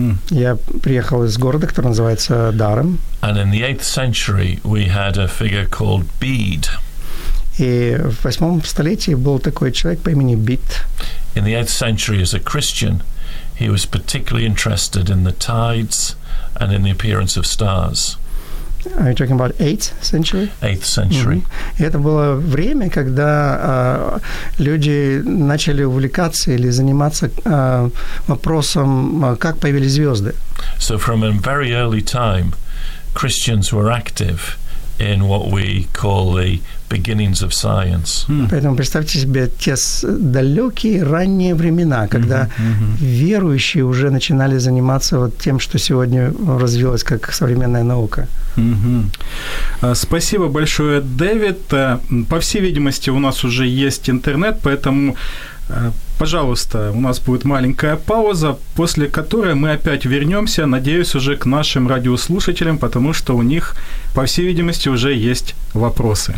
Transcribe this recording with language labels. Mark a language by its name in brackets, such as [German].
[Russian] Я приехал из города, который называется Дарем. [English] And in the 8th century we had a figure called Bede. [Russian] И в 8-м столетии был такой человек по имени Бид. [English] In the 8th century as a Christian, he was particularly interested in the tides and in the appearance of stars. Are you talking about 8th century? 8th century. [Russian] И это было время, когда люди начали увлекаться или заниматься вопросом, как появились звезды. [English] So from a very early time, Christians were active in what we call the beginnings of science. [Russian] Поэтому представьте себе те далекие ранние времена, когда верующие уже начинали заниматься вот тем, что сегодня развилось как современная наука. Спасибо большое, Дэвид. По всей видимости, у нас уже есть интернет, поэтому, пожалуйста, у нас будет маленькая пауза, после которой мы опять вернемся, надеюсь, уже к нашим радиослушателям, потому что у них, по всей видимости, уже есть вопросы.